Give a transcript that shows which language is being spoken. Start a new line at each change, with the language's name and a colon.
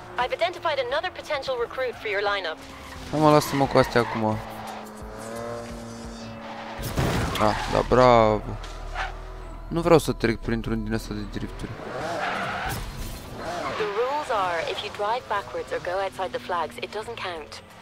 English: I've identified another potential recruit for your lineup.
Romanian: Hai mă, lasă-mă cu astea acum. Ah, da, bravo. Nu vreau să trec printr-un din ăsta de drifturi.
English: The rules are, if you drive backwards or go outside the flags, it doesn't count.